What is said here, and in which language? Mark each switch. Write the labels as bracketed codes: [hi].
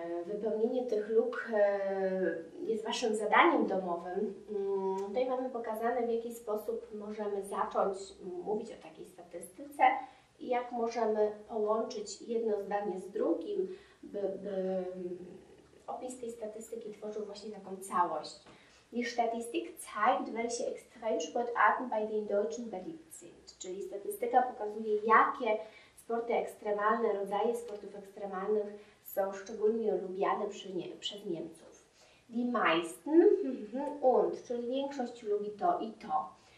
[pl] Wypełnienie tych luk jest Waszym zadaniem domowym. Tutaj mamy pokazane, w jaki sposób możemy zacząć mówić o takiej statystyce i jak możemy połączyć jedno zdanie z drugim, by opis tej statystyki tworzył właśnie taką całość. [de] Die Statistik zeigt, welche Extremsportarten bei den Deutschen beliebt sind. [pl] Czyli statystyka pokazuje, jakie sporty ekstremalne, rodzaje sportów ekstremalnych są szczególnie lubiane przez Niemców. [de] Die meisten und, [pl] czyli większość lubi to i to.